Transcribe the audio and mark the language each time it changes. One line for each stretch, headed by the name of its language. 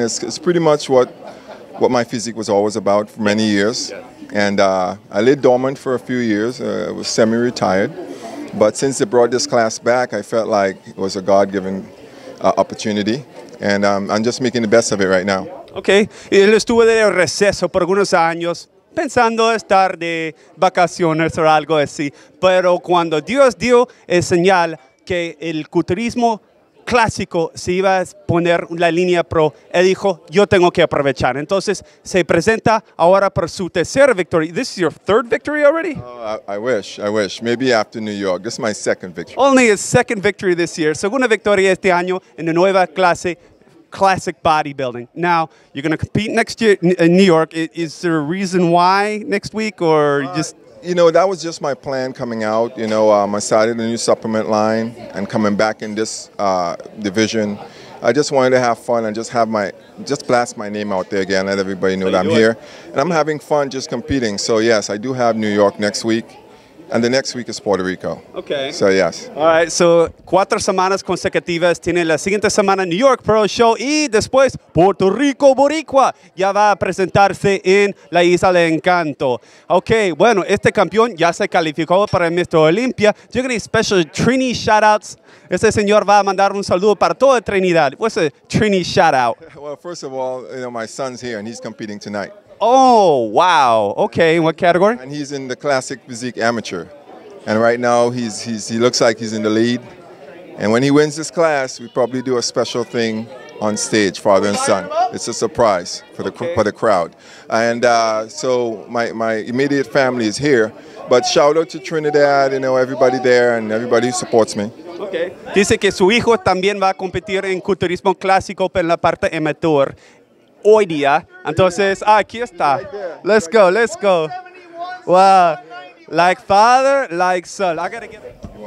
English: It's pretty much what my physique was always about for many years. Yeah. And I lived dormant for a few years. I was semi-retired. But since they brought this class back, I felt like it was a God-given opportunity. And I'm just making the best of it right now. Okay.
Spanish: Y él estuvo de receso por algunos años, pensando estar de vacaciones o algo así. Pero cuando Dios dio el señal que el culturismo clásico se iba a poner la línea pro, él dijo, yo tengo que aprovechar. Entonces, se presenta ahora por su tercera victoria.
English: This is your third victory already? I wish. Maybe after New York. This is my second victory. Only his second victory this year.
Spanish: Segunda victoria este año en la nueva clase, classic bodybuilding.
English: Now, you're going to compete next year in New York. Is there a reason why next week or just... You know, that was just my plan coming out. You know, I started a new supplement line and coming back in this division. I just wanted to have fun and just blast my name out there again, let everybody know that I'm here. And I'm having fun just competing. So, yes, I do have New York next week. And the next week is Puerto Rico. Okay. So, yes. All right. So,
Spanish: 4 semanas consecutivas. Tiene la siguiente semana New York Pro Show. Y después, Puerto Rico Boricua. Ya va a presentarse en la Isla del Encanto. Okay. Bueno, este campeón ya se calificó para el Mr. Olympia.
English: Do you have any special Trini shout-outs?
Spanish: Este señor va a mandar un saludo para toda Trinidad.
English: What's a Trini shout-out? Well, first of all, you know, my son's here and he's competing tonight. Oh, wow. Okay, what category? And he's in the classic physique amateur. And right now, he looks like he's in the lead. And when he wins this class, we probably do a special thing on stage, father and son. It's a surprise for the for the crowd. And so my immediate family is here. But shout out to Trinidad, you know, everybody there and everybody who supports me. Okay.
Spanish: Dice que su hijo también va a competir en culturismo clásico en la parte amateur. Hoy día, entonces, aquí está.
English: Let's go, let's go. Wow, like father, like son. I gotta get it.